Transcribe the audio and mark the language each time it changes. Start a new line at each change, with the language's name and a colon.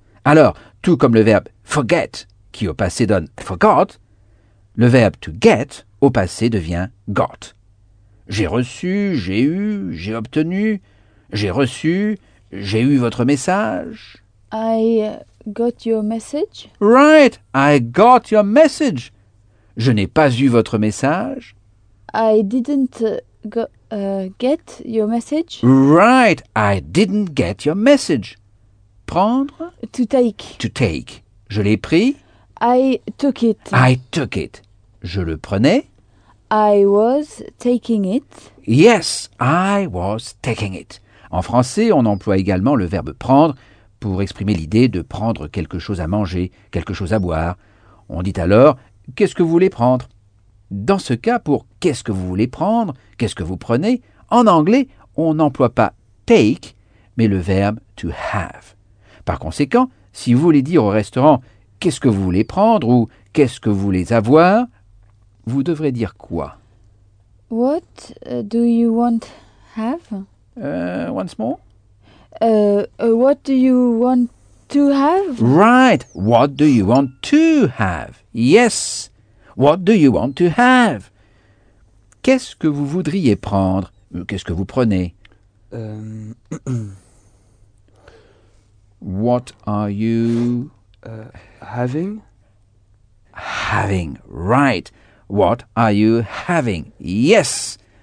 French: Alors, tout comme le verbe forget, qui au passé donne forgot, le verbe to get au passé devient got. J'ai reçu, j'ai eu, j'ai obtenu, j'ai reçu, j'ai eu votre message.
English: I got your message. Right, I got your message.
French: Je n'ai pas eu votre message.
English: I didn't get your message. Right, I didn't get your message.
French: Prendre.
English: To take. To take.
French: Je l'ai pris.
English: I took it. I took it.
French: Je le prenais.
English: I was taking it. Yes, I was taking it.
French: En français, on emploie également le verbe prendre pour exprimer l'idée de prendre quelque chose à manger, quelque chose à boire. On dit alors, qu'est-ce que vous voulez prendre? Dans ce cas, pour qu'est-ce que vous voulez prendre, qu'est-ce que vous prenez, en anglais, on n'emploie pas take, mais le verbe to have. Par conséquent, si vous voulez dire au restaurant « qu'est-ce que vous voulez prendre » ou « qu'est-ce que vous voulez avoir », vous devrez dire quoi?
English: What do you want have? Once more? What do you want to have? Right, what do you want to have? Yes, what do you want to have?
French: Qu'est-ce que vous voudriez prendre? Qu'est-ce que vous prenez?
English: What are you having? Having, right. What are you having? Yes.